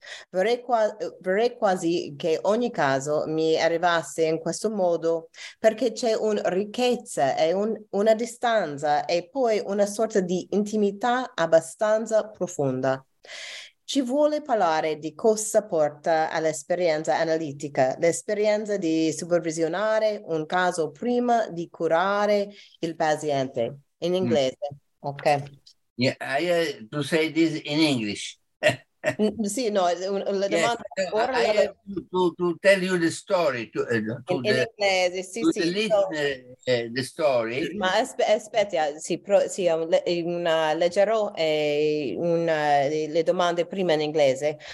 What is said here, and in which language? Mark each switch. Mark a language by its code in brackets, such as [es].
[it] Vorrei quasi che ogni caso mi arrivasse in questo modo, perché c'è una ricchezza e una distanza e poi una sorta di intimità abbastanza profonda. Ci vuole parlare di cosa porta all'esperienza analitica, l'esperienza di supervisionare un caso prima di curare il paziente, in inglese. Ok. [en] Yeah, I have to say this in English. [it] Sì, no, la domanda. [en] Yes. [it] Ora [en] I have to tell you the story [it] in inglese. Sì, [en] to [it] sì. [en] The, the story. [it] Ma aspetta, sì, una leggerò una le domande prima in inglese.